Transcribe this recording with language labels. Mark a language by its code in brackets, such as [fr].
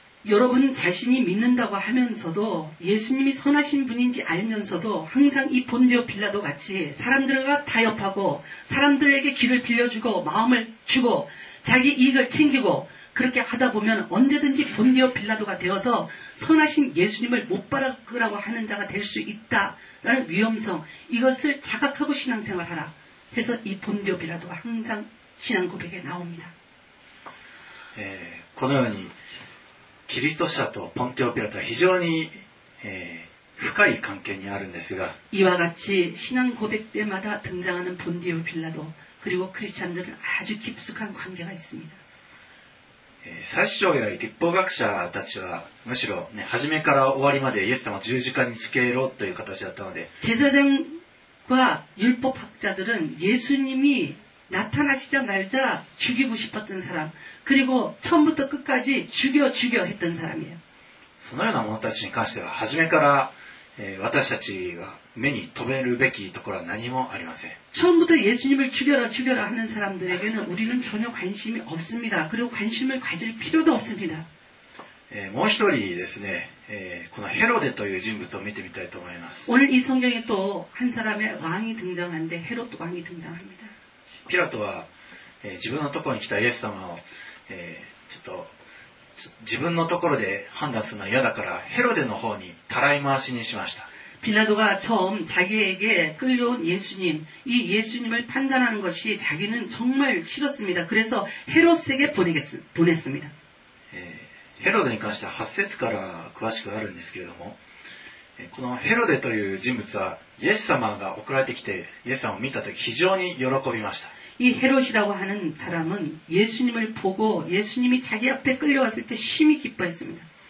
[ko] 여러분자신이믿는다고하면서도예수님이선하신분인지알면서도항상이본디오빌라도같이사람들과타협하고사람들에게길을빌려주고마음을주고자기이익을챙기고그렇게하다보면언제든지본디오빌라도가되어서선하신예수님을못바라보라고하는자가될수있다라는위험성이것을자각하고신앙생활하라해서이본디오빌라도가항상신앙고백에나옵니다。 [ja] このようにキリスト者とポンテオピラトは非常に、深い関係にあるんですが、 [ko] 이와같이신앙고백때마다등장하는본디오빌라도그리고크리스찬들은아주깊숙한관계가있습니다。 [ja] 最初や律法学者たちはむしろ、ね、初めから終わりまでイエス様を十字架につけろという形だったので、 [ko] 제사장과율법학자들은예수님이나타나시자말자죽이고싶었던사람그리고처음부터끝까지죽여죽여했던사람이에요。 [ja] そのような者たちに関しては初めから、私たちが目に留めるべきところは何もありません。 [ko] 처음부터예수님을죽여라죽여라하는사람들에게는우리는전혀관심이없습니다。 그리고관심을가질필요도없습니다。 [ja] もう一人ですね、このヘロデという人物を見てみたいと思います。 [ko] 오늘이성경에또한사람의왕이등장하는데헤롯왕이등장합니다。 [ja] ピラトは、自分のところに来たイエス様を、ちょっと自分のところで判断するのは嫌だからヘロデの方にたらい回しにしました。 [ko] ピラトが처음자기에게끌려온예수님이예수님을판단하는것이자기는정말싫었습니다。 그래서헤롯에게보냈습니다。 [ja] ヘロデに関しては8節から詳しくあるんですけれども、このヘロデという人物はイエス様が送られてきてイエス様を見たとき非常に喜びました。 [ko] 이헤롯이라고하는사람은예수님을보고예수님이자기앞에끌려왔을때심히기뻐했습니다。